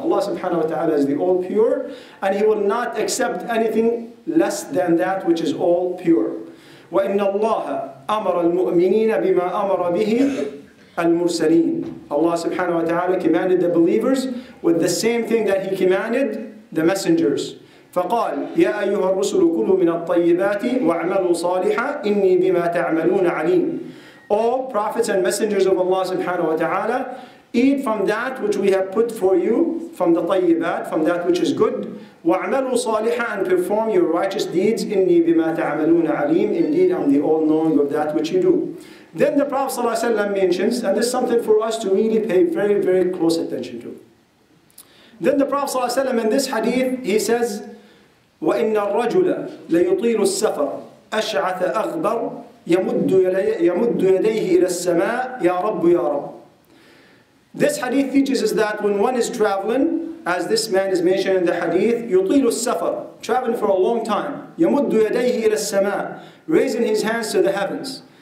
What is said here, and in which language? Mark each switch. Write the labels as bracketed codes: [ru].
[en] Allah subhanahu wa ta'ala is the all pure, and He will not accept anything less than that which is all pure. [ar] وَإِنَّ اللَّهَ أَمَرَ الْمُؤْمِنِينَ بِمَا أَمَرَ بِهِ الْمُرْسَلِينَ. [en] Allah subhanahu wa ta'ala commanded the believers with the same thing that He commanded the messengers. [ar] فقال يا أيها الرسل كلوا من الطيبات واعملوا صالحا إني بما تعملون عليم. [en] O prophets and messengers of Allah subhanahu wa ta'ala, eat from that which we have put for you, from the طيبات, from that which is good. [ar] واعملوا صالحا, [en] and perform your righteous deeds. [ar] إني بما تعملون عليم. [en] Indeed, I'm the all knowing of that which you do. Then the Prophet sallallahu alayhi wa sallam mentions, and this is something for us to really pay very, very close attention to. Then the Prophet sallallahu alayhi wa sallam in this hadith, he says, [ar] وَإِنَّ الرَّجُلَ لَيُطِيلُ السَّفَرَ أَشْعَثَ أَغْبَرُ يَمُدُّ يَدَيْهِ إِلَى السَّمَاءِ يَا رَبُّ [en] يَا رَبُّ. This hadith teaches us that when one is traveling, as this man is mentioned in the hadith, [ar] يُطِيلُ السَّفَرَ, [en] traveling for a long time, [ar] يَمُدُّ يَدَيْهِ إِلَى السَّمَاءِ, [en] raising his hands to the heavens.